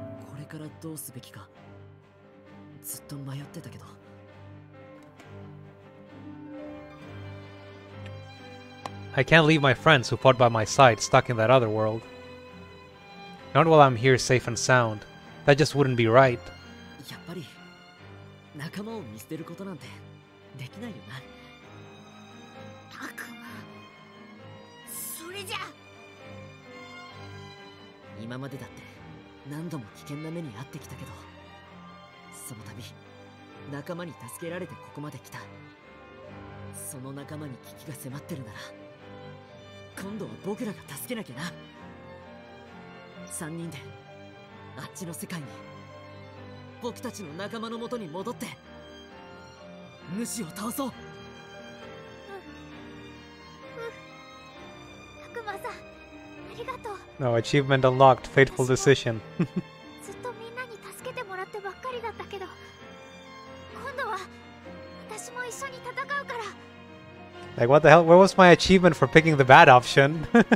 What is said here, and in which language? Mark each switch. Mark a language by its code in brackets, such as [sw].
[ja] これからどうすべきか、ずっと迷ってたけど。 [en] I can't leave my friends who fought by my side stuck in that other world. Not while I'm here safe and sound. That just wouldn't be right. [ja] やっぱり、仲間を見捨てることなんてできないよな。たくま、それじゃ。今までだって何度も危険な目に遭ってきたけど、その度、仲間に助けられてここまで来た。その仲間に危機が迫ってるなら、今度は僕らが助けなきゃな。三人であっちの世界に、僕たちの仲間のもとに戻って主を倒そう。うん、うん、タクマさん、ありがとう。 [en] No, achievement unlocked. Fateful decision. [ja] ずっとみんなに助けてもらってばっかりだったけど、今度は私も一緒に戦うから。 [en] Like, what the hell? Where was my achievement for picking the bad option?